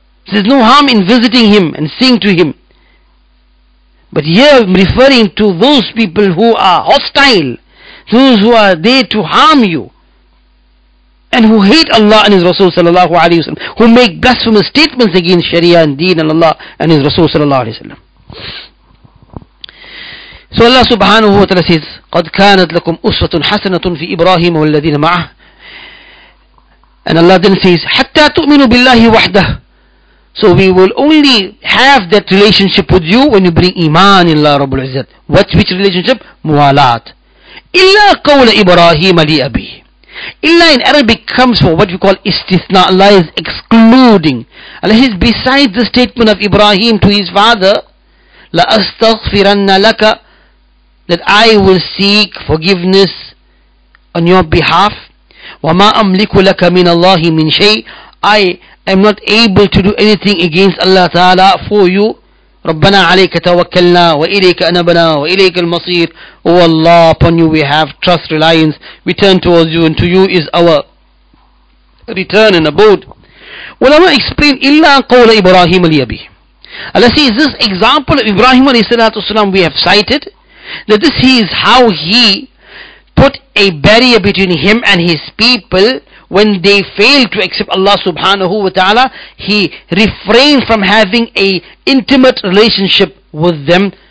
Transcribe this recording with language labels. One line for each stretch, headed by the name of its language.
English: There's no harm in visiting him and saying to him. But here I'm referring to those people who are hostile, those who are there to harm you and who hate Allah and His Rasul sallallahu alayhi wa sallam, who make blasphemous statements against Sharia and Deen and Allah and His Rasul sallallahu alayhi wa sallam.
Arabic: So Allah subhanahu wa ta'ala says, قَدْ كَانَتْ لَكُمْ أُسْوَةٌ حَسَنَةٌ فِي إِبْرَاهِيمَ وَالَّذِينَ مَعَهُ.
English: And Allah then says,
Arabic: حَتَّى تُؤْمِنُ بِاللَّهِ وَحْدَهُ.
English: So we will only have that relationship with you when you bring iman in Allah Rabbul Izzat. What, which relationship?
Arabic: Muwalat. إِلَّا قَوْلَ إِبْرَاهِيمَ لِأَبِيهِ.
English: إِلَّا in Arabic comes for what we call istithna. Allah is excluding. Allah is besides the statement of Ibrahim to his father,
Arabic: لَأَسْتَغْفِرَنَّ لَكَ,
English: that I will seek forgiveness on your behalf.
Arabic: وَمَا أَمْلِكُ لَكَ مِنَ اللَّهِ مِنْ شَيْءٍ.
English: I am not able to do anything against Allah Ta'ala for you.
Arabic: رَبَّنَا عَلَيْكَ تَوَكَّلْنَا وَإِلَيْكَ أَنَبْنَا وَإِلَيْكَ الْمَصِيرِ.
English: O Allah, upon you we have trust, reliance. We turn towards you and to you is our return and abode. Ulama explain,
Arabic: إِلَّا قَوْلَ إِبْرَاهِيمَ لِيَبِيهِ.
English: Allah says, this example of Ibrahim a.s. we have cited, that this is how he put a barrier between him and his people when they failed to accept Allah subhanahu wa ta'ala. He refrained from having a intimate relationship with them.